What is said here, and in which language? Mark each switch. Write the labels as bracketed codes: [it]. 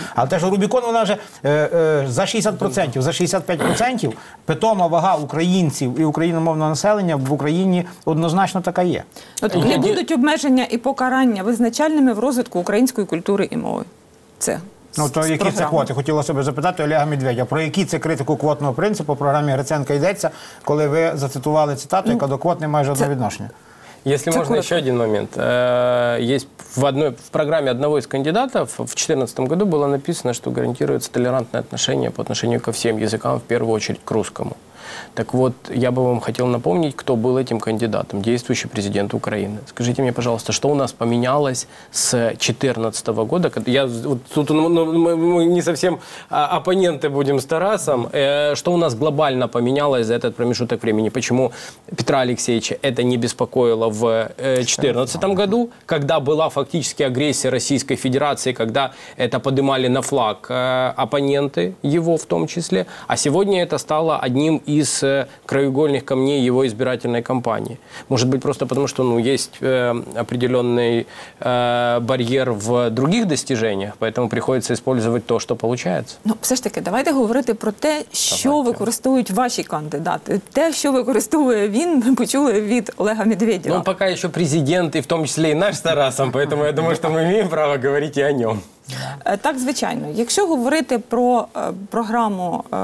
[uk] Але те, що Рубікон, вона вже за 60%, за 65% питома вага українців і україномовного населення в Україні однозначно така є. От, не будуть обмеження і покарання визначальними в розвитку української культури і мови. Це. Ну, то які це квоти? Хотіла себе запитати Олега Медведя. Про які це критику квотного принципу в програмі Гриценка йдеться, коли ви зацитували цитату, яка до квот не має жодного відношення? [ru] Если так можно, еще один момент. Есть в программе одного из кандидатов в 2014 году было написано, что гарантируется толерантное отношение по отношению ко всем языкам, в первую очередь к русскому. Так вот, я бы вам хотел напомнить, кто был этим кандидатом, действующий президент Украины. Скажите мне, пожалуйста, что у нас поменялось с 2014 года? Я, вот, тут, ну, мы не совсем оппоненты будем с Тарасом. Что у нас глобально поменялось за этот промежуток времени? Почему Петра Алексеевича это не беспокоило в 2014 году, когда была фактически агрессия Российской Федерации, когда это поднимали на флаг оппоненты его в том числе? А сегодня это стало одним из краеугольных камней его избирательной кампании. Может быть, просто потому, что ну, есть определенный барьер в других достижениях, поэтому приходится использовать то, что получается. [uk] Ну, все ж таки, давайте говорити про те, що використовують ваші кандидати. Те, що використовує він, ми почули від Олега Медведєва. Ну, поки що президент, і в тому числі і наш з Тарасом, [ru] поэтому [uk] я думаю, що ми маємо право говорити і о ньому. Так, звичайно. Якщо говорити про програму